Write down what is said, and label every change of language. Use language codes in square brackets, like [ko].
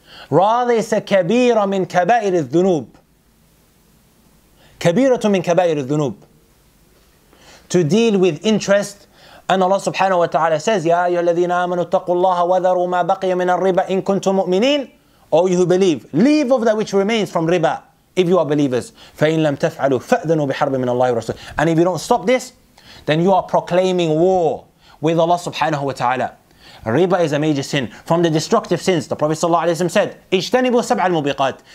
[en] Rather, it's a [ar] kabira min kabair al-dhunub. Kabiratu min kabair al-dhunub. [en] To deal with interest, and Allah subhanahu wa ta'ala says, [ar] يَا أَيُّهَا الَّذِينَ آمَنُوا اتَّقُوا اللَّهَ وَذَرُوا مَا بَقِيَ مِنَ الرِّبَا إِن كُنْتُمْ مُؤْمِنِينَ. [en] Oh, you who believe, leave of that which remains from riba, if you are believers. [ar] فَإِنْ لَمْ تَفْعَلُوا فَأْذَنُوا بِحَرْبٍ مِنَ اللَّهِ وَرَسُولِهِ. [en] And if you don't stop this, then you are proclaiming war with Allah subhanahu wa ta'ala. Riba is a major sin. From the destructive sins, the Prophet sallallahu alayhi wa sallam said, [ar] اِجْتَنِبُوا سَبْعَ الْمُبِقَاتِ.